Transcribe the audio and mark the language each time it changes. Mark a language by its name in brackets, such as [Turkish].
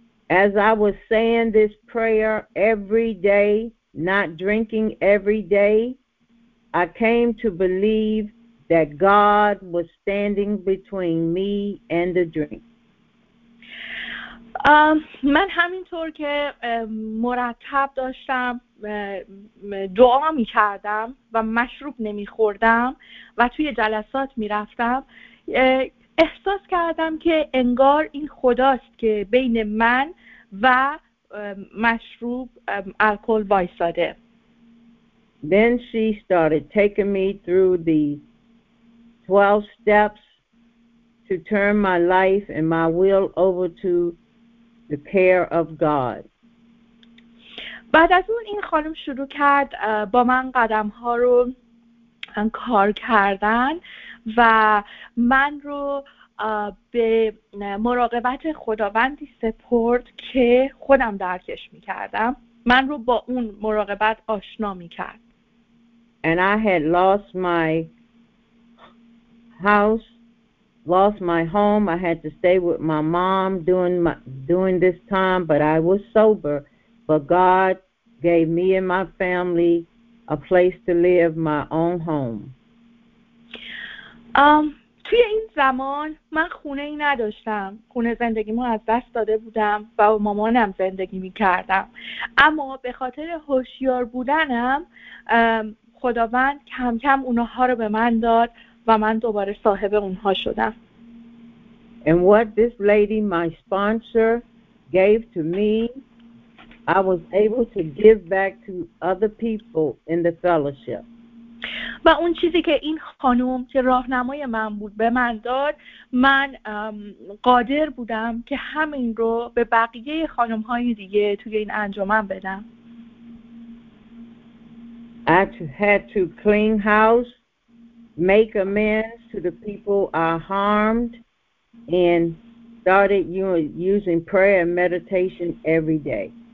[English] as I was saying this prayer every day not drinking every day I came to believe that God was standing between me and the drink [Persian] من همینطور که مرتب داشتم دعا می کردم و مشروب نمی خوردم و توی جلسات می رفتم احساس کردم که انگار این خداست که بین من و مشروب الکل وایساده [English] Then she started taking me through the 12 steps to turn my life and my will over to The care of God. [Persian] بعد از اون این خانم شروع کرد با من قدم ها رو کار کردن و من رو به مراقبت خداوندی سپرد که خودم درکش می کردم. من رو با اون مراقبت آشنا می کرد. [English] And I had lost my house. Lost my home. I had to stay with my mom during this time, but I was sober. But God gave me and my family a place to live, my own home. [Persian] توی این زمان من خونه ای نداشتم. خونه زندگیمو از دست داده بودم و با مامانم زندگی میکردم. اما به خاطر هوشیار بودنم خداوند کم کم اونها رو به من داد. و من دوباره صاحب اونها شدم. [English] And what this lady, my sponsor, gave to me, I was able to give back to other people in the fellowship. [Persian] و اون چیزی که این خانم که راهنمای من بود به من داد، من قادر بودم که همین رو به بقیه خانم‌های دیگه توی این انجمن بدم. [English] I had to clean house. Make amends to the people I harmed and started using prayer and meditation every day.